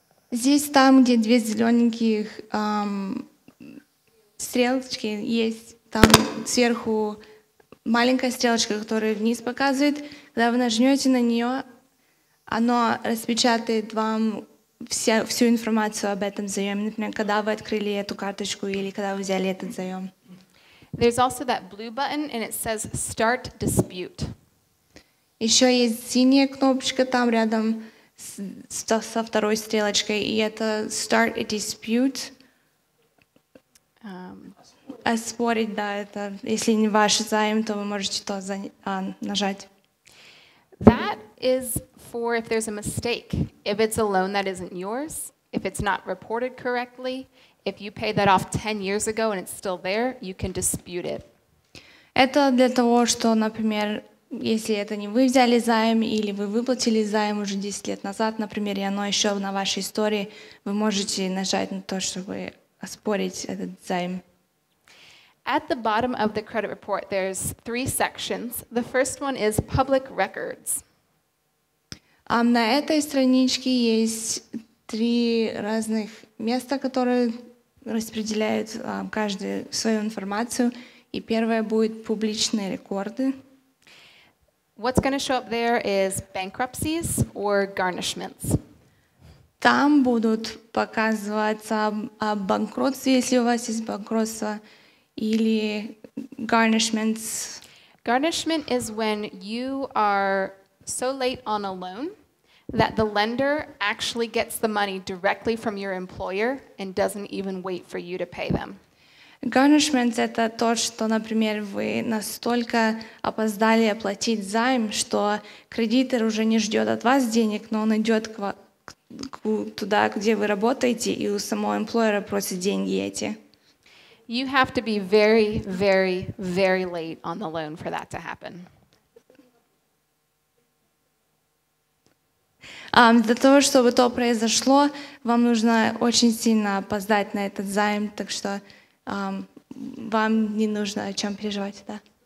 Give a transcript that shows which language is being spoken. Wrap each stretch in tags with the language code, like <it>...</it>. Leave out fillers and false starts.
<ru>Здесь там, где две зелененьких стрелочки есть, там сверху маленькая стрелочка, которая вниз показывает. Когда вы нажмете на нее, оно распечатает вам всю информацию об этом заеме, например, когда вы открыли эту карточку или когда вы взяли этот заем.</ru> <en>There's also that blue button, and it says start dispute.</en> <ru>Еще есть синяя кнопочка там рядом со второй стрелочкой, и это</ru> <en>start a dispute.</en> <ru>Оспорить, да, это если не ваш заем, то вы можете то нажать.</ru> <en>That is for if there's a mistake. If it's a loan that isn't yours, if it's not reported correctly, if you pay that off 10 years ago and it's still there, you can dispute it.</en> <ru>Это для того, что, например, если это не вы взяли займ или вы выплатили займ уже 10 лет назад, например, и оно еще на вашей истории, вы можете нажать на то, чтобы оспорить этот займ.</ru> <en>At the bottom of the credit report, there's 3 sections. The first one is public records.</en> <ru>На этой страничке есть 3 разных места, которые распределяют каждую свою информацию. И первое будет публичные рекорды.</ru> <en>What's going to show up there is bankruptcies or garnishments.</en> <ru>Там будут показываться об банкротстве, если у вас есть банкротство, или garnishments.</ru> <en>Garnishment is when you are so late on a loan that the lender actually gets the money directly from your employer and doesn't even wait for you to pay them.</en> <ru>Garnishment – это то, что, например, вы настолько опоздали оплатить займ, что кредитор уже не ждет от вас денег, но он идет туда, где вы работаете, и у самого employer просит деньги эти.</ru> <en>You have to be very, very, very late on the loan for that to happen.</en> <ru>Для того, чтобы то произошло, вам нужно очень сильно опоздать на этот займ, так что вам не нужно о чем переживать, да?</ru>